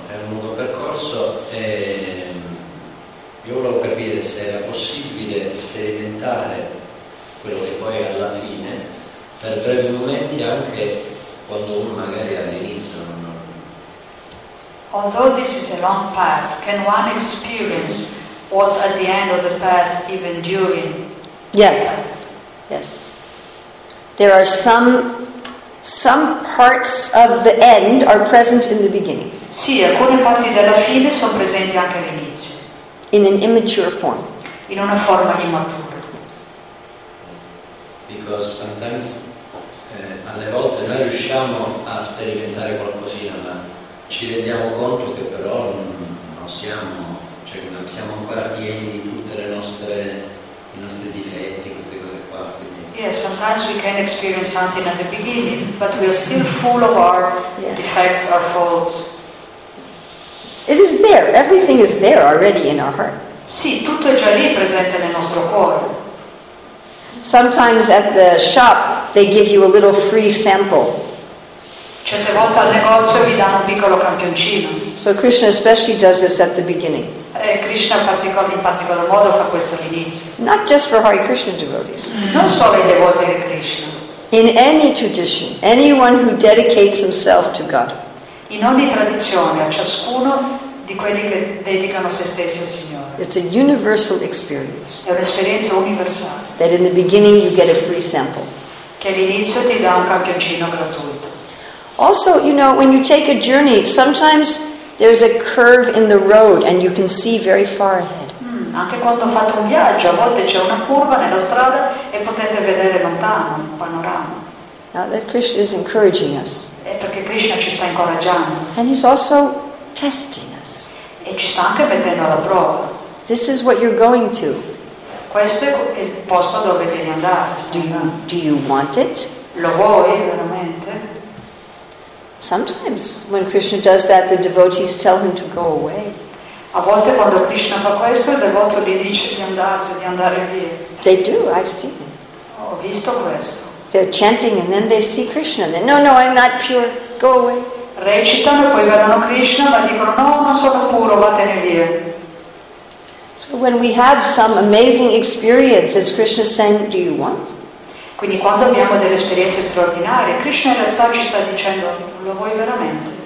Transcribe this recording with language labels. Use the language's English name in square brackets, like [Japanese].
[Italian] È un lungo percorso e io volevo capire se era possibile sperimentare quello che poi alla fine, per brevi momenti anche quando uno magari all'inizio non. [English] Although this is a long path, can one experience what's at the end of the path even during? Yes. Yes. There are some parts of the end are present in the beginning. [Italian] Sì, alcune parti della fine sono presenti anche all'inizio. [English] In an immature form. [Italian] In una forma immatura. [English] Because sometimes [Italian] alle volte noi riusciamo a sperimentare qualcosina, ma ci rendiamo conto che però non siamo ancora pieni di tutte le nostre i nostri difetti, queste cose qua. [English] Yes, sometimes we can experience something at the beginning, but we are still full of our defects, our faults. It is there. Everything is there already in our heart. [Italian] Sì, tutto è già lì presente nel nostro cuore. [English] Sometimes at the shop they give you a little free sample. [Italian] Certe volte al negozio vi danno un piccolo campioncino. [English] So Krishna especially does this at the beginning. [Italian] Krishna in particolar modo fa questo all'inizio. [English] Not just for Hare Krishna devotees. [Italian] Non solo i devoti di Krishna. [English] In any tradition, anyone who dedicates himself to God. [Italian] In ogni tradizione, a ciascuno di quelli che dedicano se stessi al Signore. [English] It's a universal experience. [Italian] È un'esperienza universale. [English] That in the beginning you get a free sample. [Italian] Che all'inizio ti dà un campioncino gratuito. [English] Also, you know, when you take a journey, sometimes there's a curve in the road and you can see very far ahead. [Italian] Anche quando ho fatto un viaggio, a volte c'è una curva nella strada e potete vedere lontano, un panorama. [English] Now that Krishna is encouraging us. [Italian] È perché Krishna ci sta incoraggiando. [English] And he's also testing us. [Italian] E ci sta anche mettendo alla prova. [English] This is what you're going to. [Italian] Questo è il posto dove devi andare. [English] Do you want it? [Italian] Lo vuoi veramente? [English] Sometimes when Krishna does that, the devotees tell him to go away. [Italian] A volte quando Krishna fa questo, il devoto gli dice di andarsene, di andare via. [English] They do. I've seen it. [Italian] Ho visto questo. [English] They're chanting and then they see Krishna. They no, I'm not pure. Go away. [Italian] Recitano poi vedono Krishna, ma dicono no, non sono puro, vattene via. [English] So when we have some amazing experience, as Krishna saying, do you want? [Italian] Quindi quando abbiamo delle esperienze straordinarie, Krishna in realtà ci sta dicendo, lo vuoi veramente?